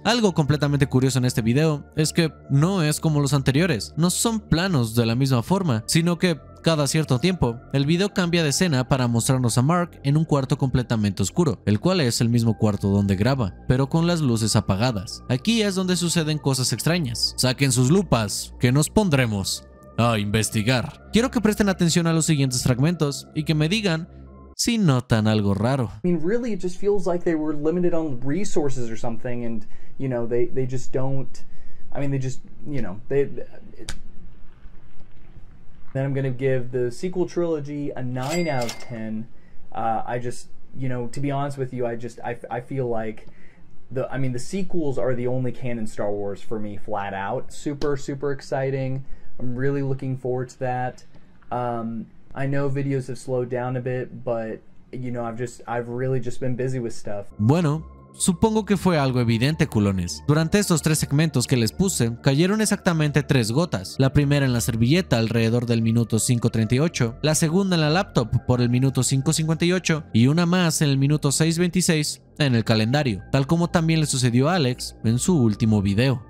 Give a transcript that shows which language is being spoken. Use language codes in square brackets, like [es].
[es] Algo completamente curioso en este video es que no es como los anteriores, no son planos de la misma forma, sino que cada cierto tiempo, el video cambia de escena para mostrarnos a Mark en un cuarto completamente oscuro, el cual es el mismo cuarto donde graba, pero con las luces apagadas. Aquí es donde suceden cosas extrañas. Saquen sus lupas, que nos pondremos a investigar. Quiero que presten atención a los siguientes fragmentos y que me digan si notan algo raro. [en] I mean, really, it just feels like they were limited on resources or something, and you know, they just don't. I mean, they just, you know, they. Then I'm going to give the sequel trilogy a 9 out of 10. I just, you know, to be honest with you, I feel like the sequels are the only canon Star Wars for me, flat out. Super, super exciting. I'm really looking forward to that. I know videos have slowed down a bit, but, you know, I've really just been busy with stuff. [es] Bueno, supongo que fue algo evidente, culones. Durante estos tres segmentos que les puse, cayeron exactamente tres gotas. La primera en la servilleta alrededor del minuto 5:38, la segunda en la laptop por el minuto 5:58 y una más en el minuto 6:26 en el calendario, tal como también le sucedió a Alex en su último video.